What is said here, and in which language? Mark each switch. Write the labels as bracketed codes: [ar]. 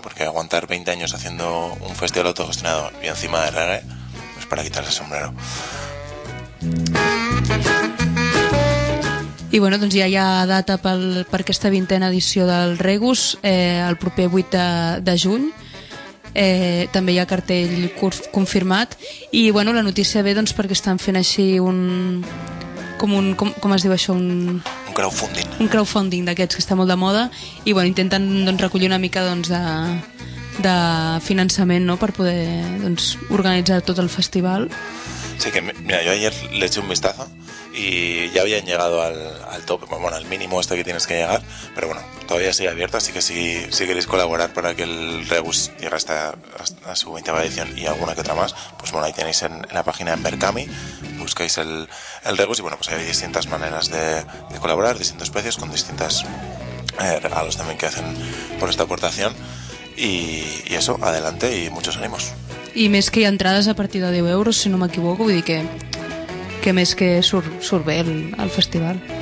[es] Porque aguantar 20 años haciendo un festival autogestionado y encima de reggae, pues para quitarse el sombrero. [ca] I bueno, doncs ja hi ha data per aquesta 20a edició del Regus, el proper 8 de juny. També hi ha cartell confirmat i bueno, la notícia ve doncs perquè estan fent així com es diu això, un crowdfunding d'aquests que està molt de moda i bueno, intenten doncs recollir una mica doncs de finançament, no, per poder doncs organitzar tot el festival. [es] Sí, que mira, yo ayer le eché un vistazo y ya habían llegado al top, bueno, al mínimo este que tienes que llegar, pero bueno, todavía sigue abierto, así que si queréis colaborar para que el Rebus llegue hasta su 20a edición y alguna que otra más, pues bueno, ahí tenéis en la página en Berkami, buscáis el Rebus y bueno, pues hay distintas maneras de colaborar, distintos precios, con distintos regalos también que hacen por esta aportación y eso, adelante y muchos ánimos. [ca] I més que hi ha entrades a partir de 10 euros, si no m'equivoco, vull dir que més que surt bé el festival.